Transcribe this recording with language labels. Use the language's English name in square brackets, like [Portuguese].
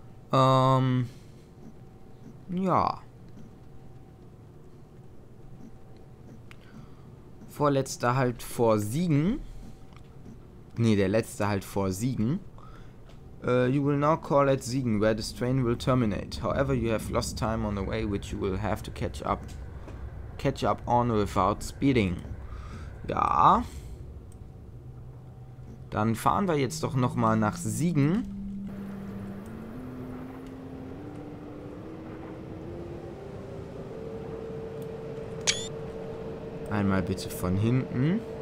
[German] Ja. vorletzte halt vor Siegen. Nee, der letzte halt vor Siegen. [English] You will now call at Siegen, where the strain will terminate. However, you have lost time on the way, which you will have to catch up on without speeding. [German] Ja. Dann fahren wir jetzt doch nochmal nach Siegen. Einmal bitte von hinten.